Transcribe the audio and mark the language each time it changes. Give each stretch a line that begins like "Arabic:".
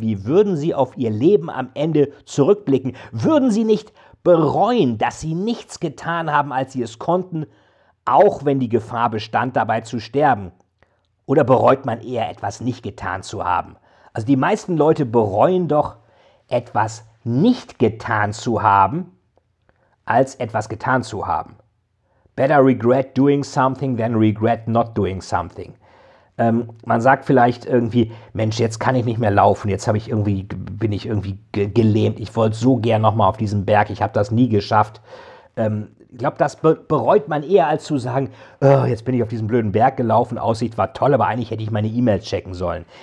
German: Wie würden sie auf ihr Leben am Ende zurückblicken? Würden sie nicht bereuen, dass sie nichts getan haben, als sie es konnten, auch wenn die Gefahr bestand, dabei zu sterben? Oder bereut man eher, etwas nicht getan zu haben? Also die meisten Leute bereuen doch, etwas nicht getan zu haben, als etwas getan zu haben.
English: Better regret doing something than regret not doing something.
German: Man sagt vielleicht irgendwie, Mensch, jetzt kann ich nicht mehr laufen, jetzt habe ich irgendwie, bin ich irgendwie gelähmt, ich wollte so gern nochmal auf diesen Berg, ich habe das nie geschafft. Ich glaube, das bereut man eher, als zu sagen, oh, jetzt bin ich auf diesem blöden Berg gelaufen, Aussicht war toll, aber eigentlich hätte ich meine E-Mails checken sollen.